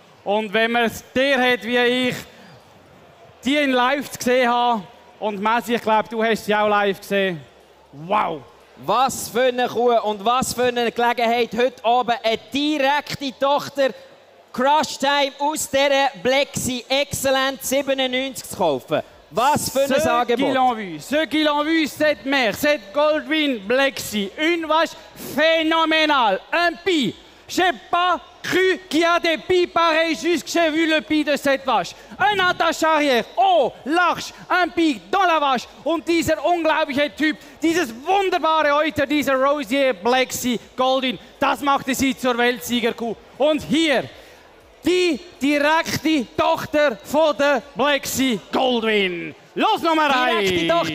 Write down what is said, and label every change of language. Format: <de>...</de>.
<de>Und wenn man es der hat wie ich, die in live gesehen hat, und Messi, ich glaube, du hast sie auch live gesehen. Wow! Was für eine Kuh und was für eine Gelegenheit, heute Abend eine direkte Tochter Crush Time aus dieser Blexi Excellent 97 zu kaufen. Was für ein Angebot.</de> <fr>Ceux qui l'ont vu, cette mère, cette Goldwyn Blexi. Une vache phénoménale. Un pi. J'ai pas cru qu'il y a des pi pareils, juste que j'ai vu le pi de cette vache. Un attache arrière, haut, large, un pi dans la vache.</fr> <de>Und dieser unglaubliche Typ, dieses wunderbare Euter, dieser Rosier Blexi Goldwyn, das machte sie zur Weltsiegerkuh. Und hier, die direkte Tochter von der Blexi Goldwyn. Los Nummer 1! Direkte eins.</de>